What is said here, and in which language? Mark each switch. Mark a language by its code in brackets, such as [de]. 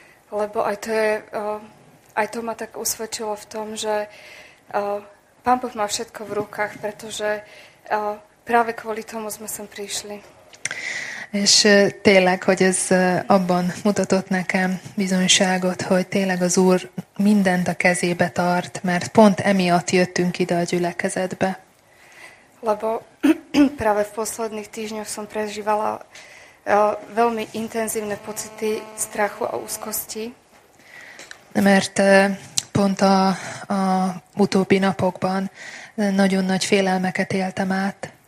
[sk] Lebo aj to, je, aj to ma tak usvedčilo v tom, že Pán Boh má všetko v rukách, pretože práve kvôli tomu sme sem prišli. [hu] És tényleg, hogy ez abban mutatott nekem bizonyságot, hogy tényleg az Úr mindent a kezébe tart, mert pont emiatt jöttünk ide a gyülekezetbe. [sk] Lebo práve v posledných týždňoch som prežívala veľmi intenzívne pocity strachu a úzkosti. [hu] Mert pont a utóbbi napokban nagyon nagy félelmeket éltem át.